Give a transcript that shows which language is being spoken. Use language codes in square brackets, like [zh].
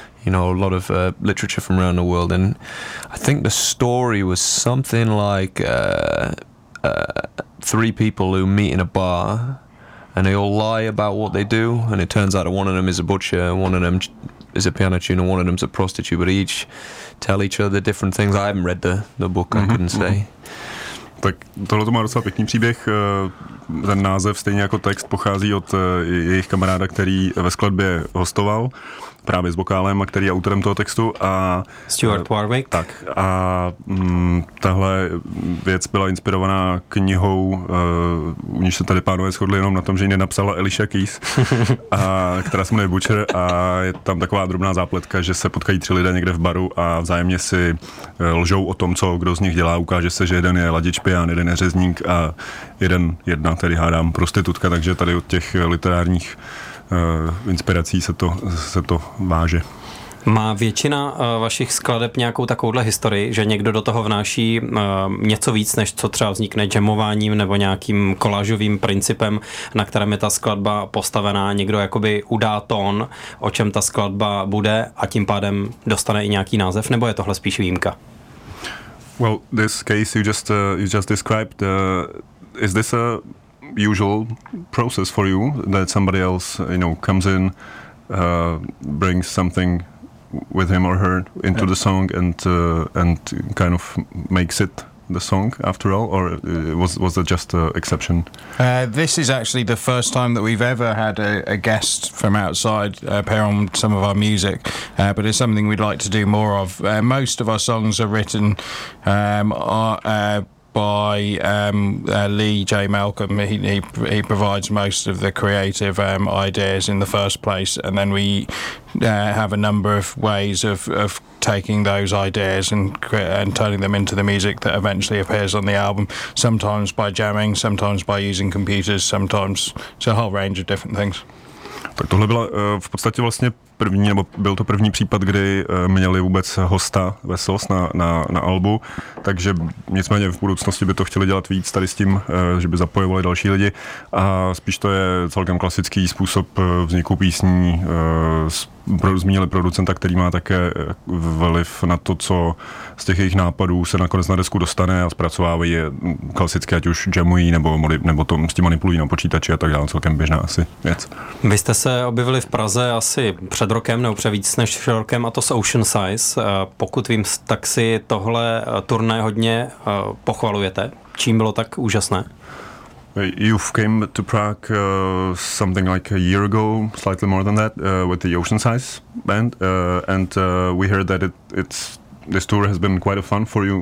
[en] You know, a lot of literature from around the world, and I think the story was something like three people who meet in a bar, and they all lie about what they do, and it turns out one of them is a butcher, and one of them is a piano tuner, one of them's a prostitute, but each tell each other different things. I haven't read the book, I couldn't say. [cs] Tak tohle to má docela pěkný příběh. Ten název, stejně jako text, pochází od jejich kamaráda, který ve skladbě hostoval právě s vokálem a který je autorem toho textu. A Stuart Warwick. Tak. A tahle věc byla inspirovaná knihou, u níž se tady pánové shodli jenom na tom, že ji nenapsala Alicia Keys, a, která se jmenuje Butcher, a je tam taková drobná zápletka, že se potkají tři lidé někde v baru a vzájemně si lžou o tom, co kdo z nich dělá. Ukáže se, že jeden je ladič pian, jeden je řezník a jedna, tedy hádám, prostitutka, takže tady od těch literárních inspirací se to váže. Má většina vašich skladeb nějakou takovouhle historii, že někdo do toho vnáší něco víc, než co třeba vznikne jamováním nebo nějakým kolážovým principem, na kterém je ta skladba postavená, někdo jakoby udá tón, o čem ta skladba bude, a tím pádem dostane i nějaký název, nebo je tohle spíš výjimka? [en] Well, this case you just described, is this a usual process for you, that somebody else, you know, comes in, brings something with him or her into the song and kind of makes it the song after all, or was that just an exception? This is actually the first time that we've ever had a guest from outside appear on some of our music, but it's something we'd like to do more of. Most of our songs are written by Lee J. Malcolm. He provides most of the creative ideas in the first place, and then we have a number of ways of taking those ideas and turning them into the music that eventually appears on the album, sometimes by jamming, sometimes by using computers, sometimes it's a whole range of different things. [cs] Tak tohle byla v podstatě vlastně první, nebo byl to první případ, kdy měli vůbec hosta Vessels na albu, takže nicméně v budoucnosti by to chtěli dělat víc tady s tím, že by zapojovali další lidi, a spíš to je celkem klasický způsob vzniku písní. Zmínili producenta, který má také vliv na to, co z těch jejich nápadů se nakonec na desku dostane, a zpracovávají je klasicky, ať už jamují nebo to s tím manipulují na počítači a tak dále, celkem běžná asi věc. Vy jste se objevili v Praze asi před rokem, nebo před víc než rokem, a to s Ocean Size. Pokud vím, tak si tohle turné hodně pochvalujete. Čím bylo tak úžasné? [en] You've came to Prague something like a year ago, slightly more than that, with the Ocean Size band, and we heard that it's this tour has been quite a fun for you.